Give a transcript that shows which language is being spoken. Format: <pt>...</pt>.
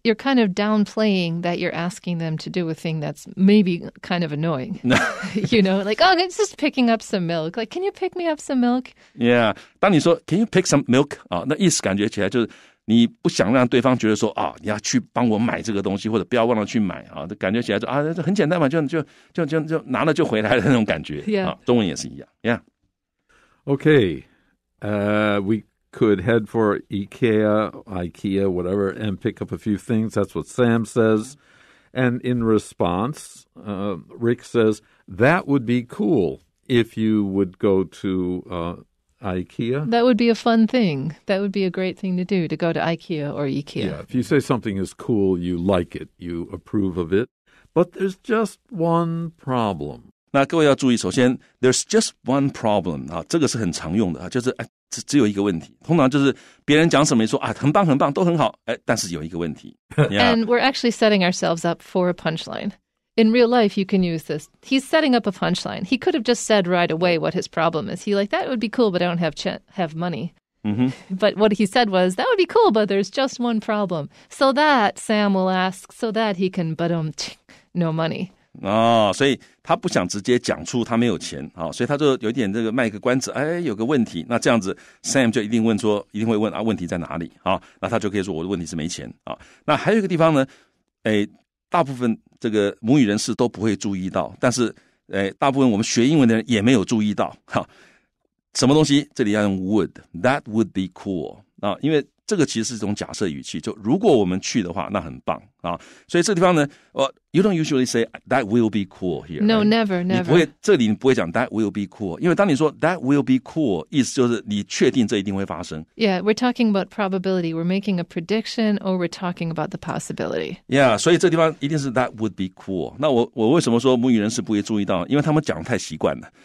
<en>You're kind of downplaying that you're asking them to do a thing that's maybe kind of annoying. You know, like, oh, it's just picking up some milk. Like, can you pick me up some milk? Yeah,</en> <zh>当你说</zh> <en>can you pick some milk?</en> <zh>啊，那意思感觉起来就是你不想让对方觉得说啊，你要去帮我买这个东西，或者不要忘了去买啊，感觉起来就啊，这很简单嘛，就拿了就回来的那种感觉。 Yeah. 啊，中文也是一样。Yeah.</zh> <en>Okay, we could head for IKEA, whatever, and pick up a few things. That's what Sam says. And in response, Rick says, that would be cool if you would go to IKEA. That would be a fun thing. That would be a great thing to do, to go to IKEA or IKEA. Yeah, if you say something is cool, you like it, you approve of it. But there's just one problem.</en> <zh>那各位要注意，首先</zh> <en>there's just one problem,</en> <zh>啊，这个是很常用的，就是只有一个问题，通常就是别人讲什么说啊，很棒很棒，都很好，哎，但是有一个问题。</zh> <en>Yeah. And we're actually setting ourselves up for a punchline. in real life, you can use this. He's setting up a punchline. He could have just said right away what his problem is. He like, that would be cool, but I don't have money. Mm-hmm. But what he said was, that would be cool, but there's just one problem. So that, Sam will ask, so that he can, but no money.</en> <zh>哦，所以他不想直接讲出他没有钱，好，所以他就有点这个卖个关子，哎，有个问题，那这样子 ，Sam 就一定问说，一定会问啊，问题在哪里啊？那他就可以说我的问题是没钱啊。那还有一个地方呢，哎，大部分这个母语人士都不会注意到，但是哎，大部分我们学英文的人也没有注意到哈。什么东西？这里要用 would，</zh> <en>that would be cool</en> <zh>啊，因为这个其实是一种假设语气，就如果我们去的话，那很棒啊。所以这地方呢，</zh> <en>you don't usually say that will be cool here. No, never, never.</en> <zh>你不会，这里你不会讲</zh> <en>that will be cool，</en> <zh>因为当你说 that will be cool， 意思就是你确定这一定会发生。</zh> <en>Yeah, we're talking about probability. We're making a prediction, or we're talking about the possibility. Yeah,</en> <zh>所以这地方一定是</zh> <en>that would be cool。</en> <zh>那我为什么说母语人士不会注意到？因为他们讲得太习惯了。</zh>